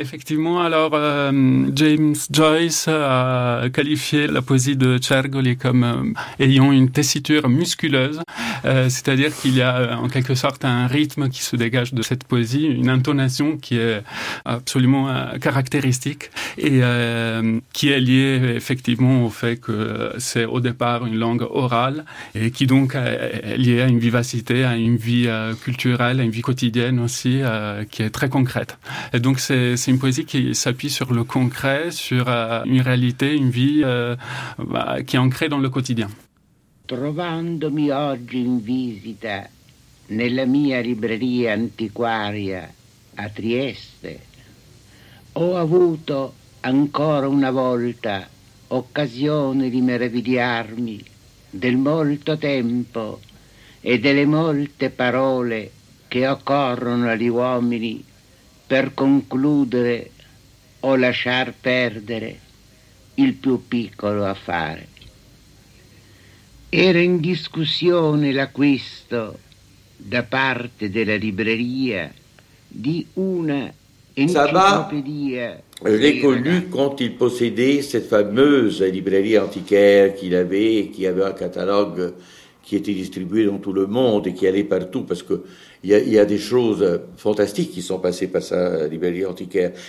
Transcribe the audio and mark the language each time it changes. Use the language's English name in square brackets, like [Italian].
[French] Effectivement, alors James Joyce a qualifié la poésie de Cergoli comme ayant une tessiture musculeuse, c'est-à-dire qu'il y a en quelque sorte un rythme qui se dégage de cette poésie, une intonation qui est absolument caractéristique et qui est liée effectivement au fait que c'est au départ une langue orale et qui donc est liée à une vivacité, à une vie culturelle, à une vie quotidienne aussi, qui est très concrète. Et donc c'est une poésie qui s'appuie sur le concret, sur une réalité, une vie qui est ancrée dans le quotidien. [Italian] Trovandomi oggi in visita nella mia libreria antiquaria a Trieste, ho avuto ancora una volta occasione di meravigliarmi del molto tempo e delle molte parole che occorrono agli uomini per concludere o lasciar perdere il più piccolo affare. Era in discussione l'acquisto da parte della libreria di una enciclopédie. [French] Je l'ai connu quand il possédait cette fameuse librairie antiquaire qu'il avait, qui avait un catalogue qui était distribué dans tout le monde et qui allait partout, parce qu'il y a des choses fantastiques qui sont passées par sa librairie antiquaire.